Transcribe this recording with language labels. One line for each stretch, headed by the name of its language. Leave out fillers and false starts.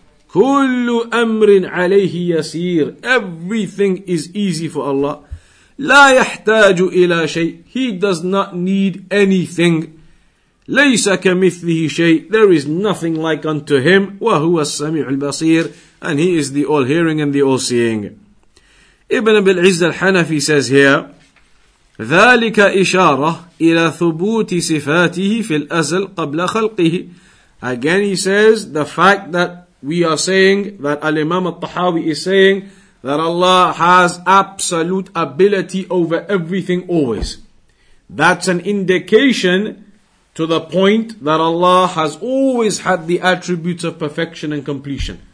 Arabic: كل أمر عليه يسير.
English: Everything is easy for Allah.
Arabic: لا يحتاج إلى شيء.
English: He does not need anything.
Arabic: ليس كمثله شيء.
English: There is nothing like unto Him.
Arabic: وهو السميع البصير.
English: And He is the all-hearing and the all-seeing. Ibn Abi al-Izz al-Hanafi says here,
Arabic: ذلك إشارة إلى ثبوت صفاته في الأزل قبل خلقه.
English: Again he says, the fact that we are saying, that Al-Imam Al-Tahawi is saying, that Allah has absolute ability over everything always. That's an indication to the point that Allah has always had the attributes of perfection and completion.